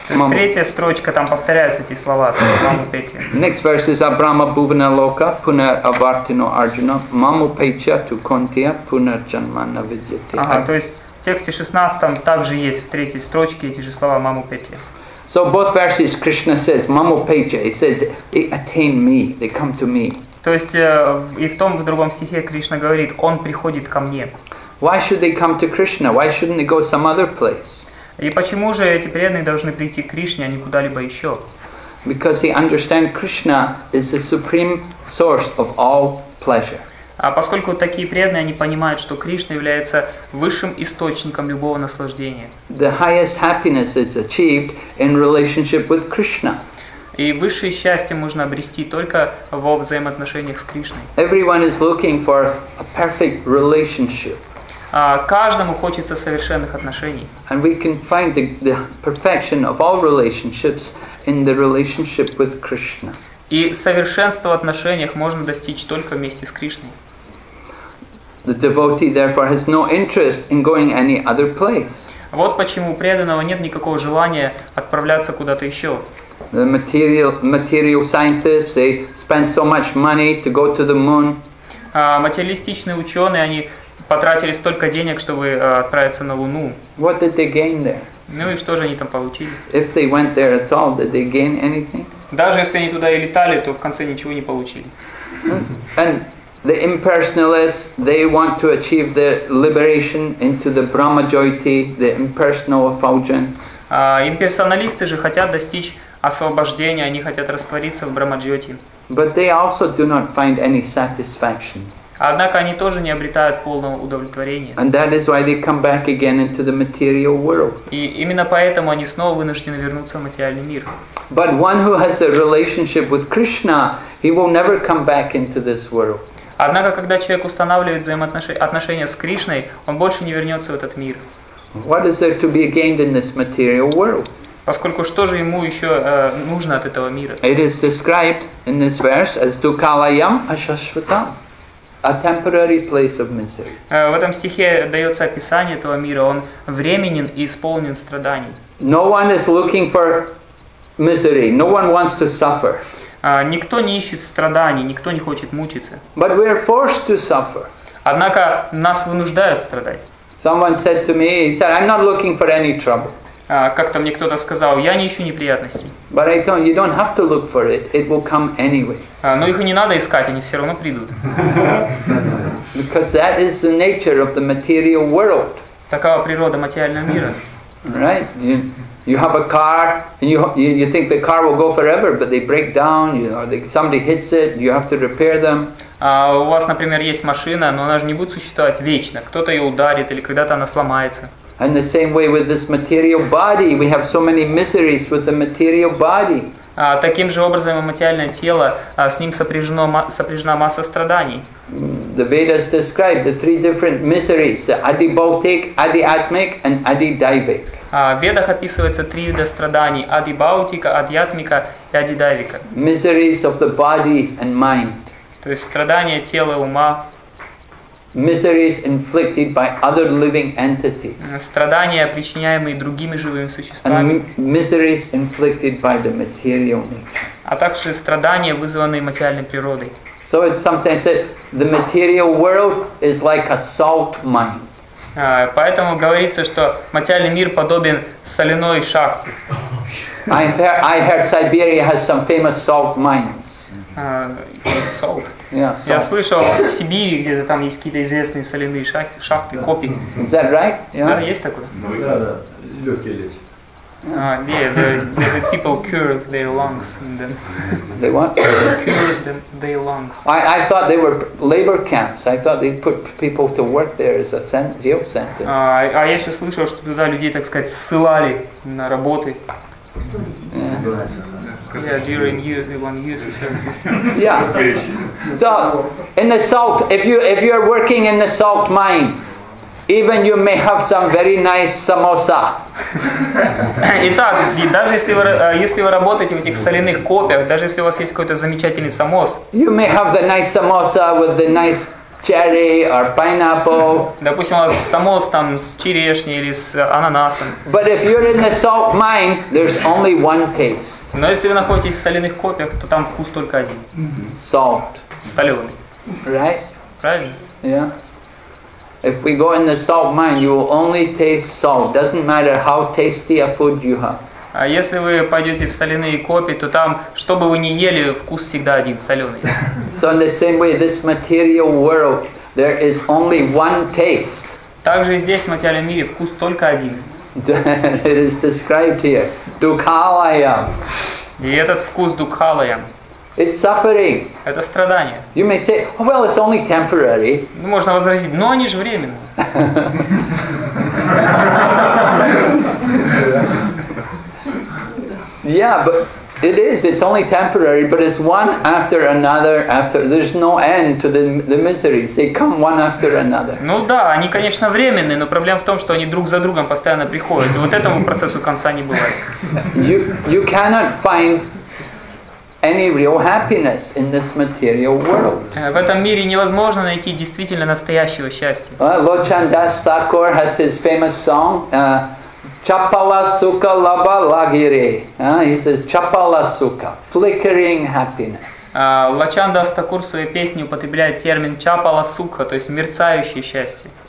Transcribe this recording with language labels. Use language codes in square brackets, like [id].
[ru] Третья строчка, там повторяются эти слова. [en] Next verse is [sa] Abrahma Bhuvana Loka Punar Avartino Arjuna Mamu Pecha Tu Kontiya Punar Janmana Vidyate. [ru] То есть в тексте 16 также есть в третьей строчке эти же слова Mamu Pecha. [en] So both verses Krishna says Mamu Pecha. He says they attain me, they come to me. [ru] То есть и в том, в другом стихе Кришна говорит, он приходит ко мне. [en] Why should they come to Krishna? Why shouldn't they go some other place? [ru] И почему же эти преданные должны прийти к Кришне, а не куда-либо еще? [en] Because they understand Krishna is the supreme source of all pleasure. [ru] А поскольку такие преданные, они понимают, что Кришна является высшим источником любого наслаждения. [en] The highest happiness is achieved in relationship with Krishna. [ru] И высшее счастье можно обрести только во взаимоотношениях с Кришной. [en] Everyone is looking for a perfect relationship. [ru] Каждому хочется совершенных отношений. [en] And we can find the perfection of all relationships in the relationship with Krishna. [ru] И совершенство в отношениях можно достичь только вместе с Кришной. [en] The devotee therefore has no interest in going any other place. [ru] Вот почему у преданного нет никакого желания отправляться куда-то еще. [en] The material scientists, they spend so much money to go to the moon. [ru] Материалистичные ученые, они потратили столько денег, чтобы отправиться на Луну. [en] What did they gain there? [ru] Ну и что же они там получили? [en] If they went there at all, did they gain anything? [ru] Даже если они туда и летали, то в конце ничего не получили. [en] And the impersonalists, they want to achieve the liberation into the Brahma Jyoti, the impersonal effulgence. [ru] Имперсоналисты же хотят достичь освобождения, они хотят раствориться в Брахма Джоти. [en] But they also do not find any satisfaction. [ru] Однако они тоже не обретают полного удовлетворения. [en] And that is why they come back again into the material world. [ru] И именно поэтому они снова вынуждены вернуться в материальный мир. [en] But one who has a relationship with Krishna, he will never come back into this world. [ru] Однако когда человек устанавливает отношения с Кришной, он больше не вернется в этот мир. [en] What is there to be gained in this material world? [ru] Поскольку что же ему еще нужно от этого мира? [en] It is described in this verse as dukalayam ashashvatam. A temporary place of misery. [ru] В этом стихе дается описание этого мира. Он временен и исполнен страданий. [en] No one is looking for misery. No one wants to suffer. [ru] Никто не ищет страданий. Никто не хочет мучиться. [en] But we are forced to suffer. [ru] Однако нас вынуждают страдать. [en] Someone said to me, he said, I'm not looking for any trouble. [ru] Как-то мне кто-то сказал, я не ищу неприятностей. [en] But I told you, you don't have to look for it. It will come anyway. [ru] Но их и не надо искать, они все равно придут. [en] Because that is the nature of the material world. [ru] Такова природа материального мира. [en] Right? You have a car, and you think the car will go forever, but they break down, you know, somebody hits it, you have to repair them. [ru] У вас, например, есть машина, но она же не будет существовать вечно. Кто-то ее ударит, или когда-то она сломается. [en] And the same way with this material body, we have so many miseries with the material body. [ru] Таким же образом и материальное тело, с ним сопряжена масса страданий. [en] The Vedas describe the three different miseries, the adibhautik, adiatmik, and adidaivik. [ru] В Ведах описывается три вида страданий, адибаутика, адиатмика и адидаивика. [en] Miseries of the body and mind. [ru] То есть страдания тела и ума. [en] miseries inflicted by other living entities. [ru] Страдания, причиняемые другими живыми существами. [en] And miseries inflicted by the material nature. [ru] А также страдания, вызванные материальной природой. [en] So it's sometimes said the material world is like a salt mine. [ru] Поэтому говорится, что материальный мир подобен соляной шахте. [en] I heard Siberia has some famous salt mines. Salt. Yeah, salt. [ru] Я слышал, в Сибири где-то там есть какие-то известные соляные шахты, копи. [en] Is that right? [ru] Yeah. Да, есть такое? Легкие [en] лечь. The people cured their lungs. They what? Cured their lungs. I thought they were labor camps. I thought they put people to work there as a jail sentence. [ru] А я еще слышал, что туда людей, так сказать, ссылали на работы. [en] Yeah, during use, when use a certain system. Yeah. So, in the salt, if you are working in the salt mine, even you may have some very nice samosa. [ru] Итак, даже если вы работаете в этих соляных копях, даже если у вас есть какой-то замечательный самос. [en] You may have the nice samosa with the nice cherry or pineapple. [ru] Допустим, у вас самос там с черешней или с ананасом. [en] But if you're in the salt mine, there's only one taste. [ru] Но если вы находитесь в соляных копиях, то там вкус только один. [en] Salt. [ru] Соленый. [en] Right? [ru] Правильно? [en] Yeah. If we go in the salt mine, you will only taste salt. Doesn't matter how tasty a food you have. [ru] А если вы пойдете в соляные копи, то там, что бы вы ни ели, вкус всегда один, соленый. [en] So in the same way, this material world, there is only one taste. [ru] Также здесь, в материальном мире, вкус только один. [en] It is described here. Dukhalayam. [ru] И этот вкус Dukhalayam. [en] It's suffering. [ru] Это страдание. [en] You may say, oh, well, it's only temporary. [ru] Ну, можно возразить, но они же временные. [en] Yeah, but it is. It's only temporary, but it's one after another after. There's no end to the miseries. They come one after another. [ru] Ну да, они, конечно, временные, но проблема в том, что они друг за другом постоянно приходят. И вот этому процессу конца не бывает. [en] You cannot find any real happiness in this material world. [ru] В этом мире невозможно найти действительно настоящего счастья. [en] Lord Chandas Thakur has his famous song. [bn] Chapala Sukha Laba Lagire. [en] He says Chapala Sukha. Flickering happiness. [ru] Лачан Дас Такур в своей песне употребляет термин Chapala Sukha, то есть мерцающее счастье.